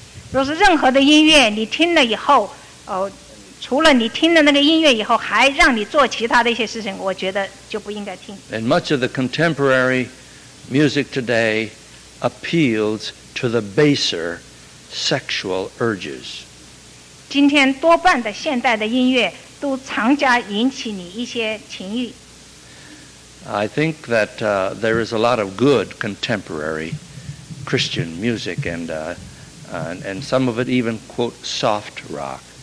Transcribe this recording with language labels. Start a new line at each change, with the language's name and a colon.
Chinese: 若是任何的音乐你听了以后，除了你听了那个音乐以后，还让你做其他的一些事情，我觉得就不应该听。
English: And much of the contemporary music today appeals to the baser sexual urges.
Chinese: 今天多半的现代的音乐
English: I think that there is a lot of good contemporary Christian music and some of it even, quote, soft rock.